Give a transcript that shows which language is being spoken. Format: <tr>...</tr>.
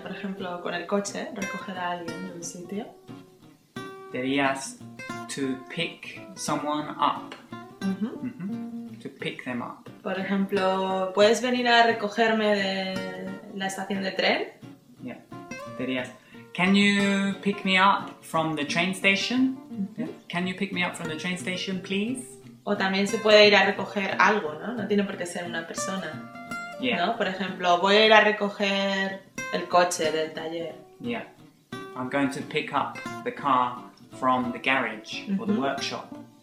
<es>Por ejemplo, con el coche, recoger a alguien de un sitio. Dirías</es> <en>to pick someone up. Mm-hmm. Mm-hmm. To pick them up.</en> <es>Por ejemplo, ¿puedes venir a recogerme de la estación de tren?</es> <en>Yeah.</en> <es>Dirías,</es> <en>can you pick me up from the train station? Mm-hmm. Can you pick me up from the train station, please?</en> <es>O también se puede ir a recoger algo, ¿no? No tiene por qué ser una persona.</es> <en>Yeah.</en> <es>¿No? Por ejemplo, voy a ir a recoger el coche del taller.</es> <en>Yeah. I'm going to pick up the car from the garage mm-hmm. or the workshop.</en>